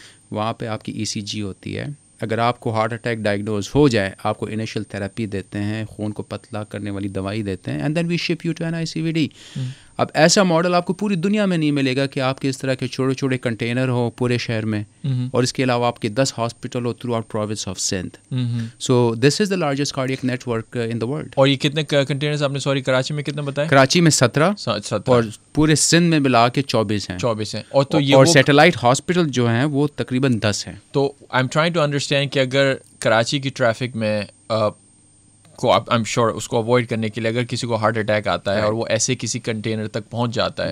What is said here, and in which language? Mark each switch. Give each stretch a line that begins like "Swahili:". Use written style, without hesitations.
Urdu: وہاں پہ آپ کی ای سی جی ہوتی ہے. اگر آپ کو ہارٹ اٹیک ڈائگنوز ہو جائے, آپ کو انیشل تھراپی دیتے ہیں, خون کو پتلا کرنے والی دوائی دیتے ہیں,
English: And then we ship you to N I C V D.
Urdu: اب ایسا ماڈل آپ کو پوری دنیا میں نہیں ملے گا کہ آپ کے اس طرح کے چھوٹے چھوٹے کنٹینر ہو پورے شہر میں, اور اس کے علاوہ آپ کے 10 hospital ہو
English: Throughout province of Sindh. So this is the largest cardiac network in the world.
Urdu: اور یہ کتنے کنٹینرز آپ نے سوری کراچی میں کتنے بتایا؟ کراچی میں 17 اور پورے سندھ میں ملا کے 24 ہیں. اور تو یہ اور سیٹلائٹ ہاسپٹل جو ہیں وہ تقریباً 10 ہیں. تو
English: I am trying to understand
Urdu: کہ اگر کراچی کی ٹریفک میں
English: I am sure
Urdu: اس کو اوائڈ کرنے کے لیے اگر کسی کو ہارٹ اٹیک آتا ہے اور وہ ایسے کسی کنٹینر تک پہنچ جاتا ہے,